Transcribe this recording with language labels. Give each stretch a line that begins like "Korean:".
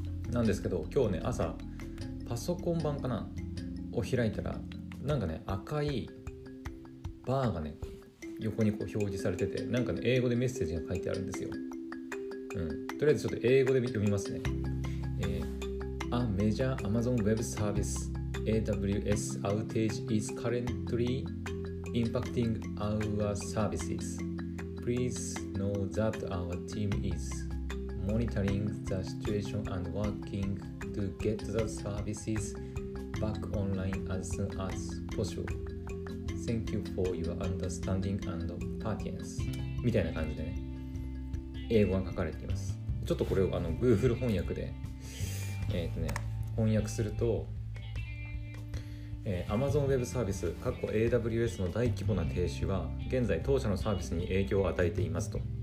Japanese: なんですけど、今日ね、朝、パソコン版かな？を開いたら、なんかね、赤いバーがね、横にこう表示されてて、なんかね、英語でメッセージが書いてあるんですよ。とりあえずちょっと英語で読みますね。
English: A major Amazon Web Service AWS outage is currentlyimpacting our services. Please know that our team is monitoring the situation and working to get the services back online as soon as possible. Thank you for your understanding and patience.
Japanese: みたいな感じでね、英語が書かれています。ちょっとこれを Google 翻訳で、翻訳すると、Amazon Web Service AWS の大規模な停止は現在当社のサービスに影響を与えていますと。